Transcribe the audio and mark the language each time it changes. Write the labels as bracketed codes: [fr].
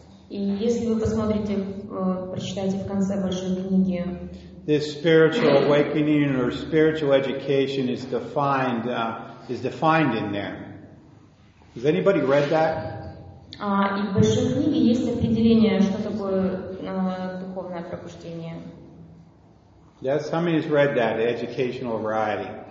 [ru] и если вы посмотрите, прочитаете в конце большой книги, [en] this spiritual awakening or spiritual education is defined in there. Has anybody read that? [ru] И в большой книге есть определение, что такое духовное пробуждение. [en] Yes, how many has read that, the educational variety?